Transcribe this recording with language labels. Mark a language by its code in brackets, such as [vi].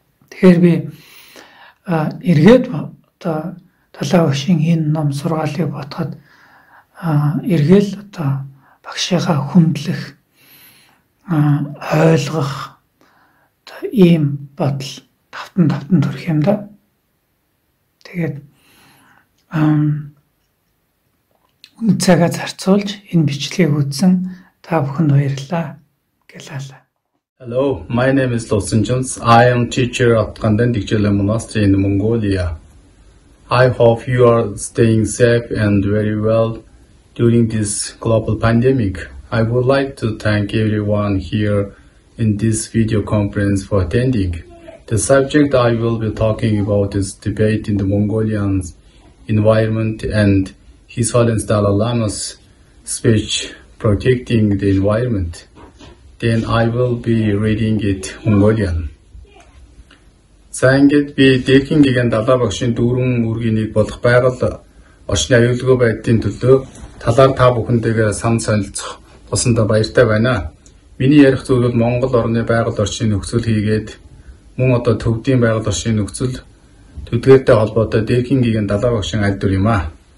[mn] Тэгэхээр би эргээд та талаа өшин энэ ном сургаалыг ботход эргэл одоо багшийнхаа хүндлэх ойлгох ийм бодол тавтан тавтан төрөх юм да. Тэгээд үн цагаа зарцуулж энэ бичлэгийг үзсэн та бүхэнд баярлаа гэлээ. [en] Hello, my name is Luvsanjamts. I am teacher at Gantumur Monastery in Mongolia. I hope you are staying safe and very well during this global pandemic. I would like to thank everyone here in this video conference for attending. The subject I will be talking about is debate in the Mongolian environment and His Holiness Dalai Lama's speech protecting the environment. Then I will be reading it in Mongolian. [mn] За ингээд би Дэлхийн гэгэн далаа багшийн дүүрэн үүргийн нэг болох байгаль орчны аюулгүй байдлын төлөө талаар та бүхэндээ санал солилцох тусандаа баяртай байна. Миний ярих зүйл бол Монгол орны байгаль орчны нөхцөл хийгээд мөн одоо төвдийн байгаль орчны нөхцөл төдгөөртэй холбоотой Дэлхийн гэгэн далаа багшийн аль дүр юм аа.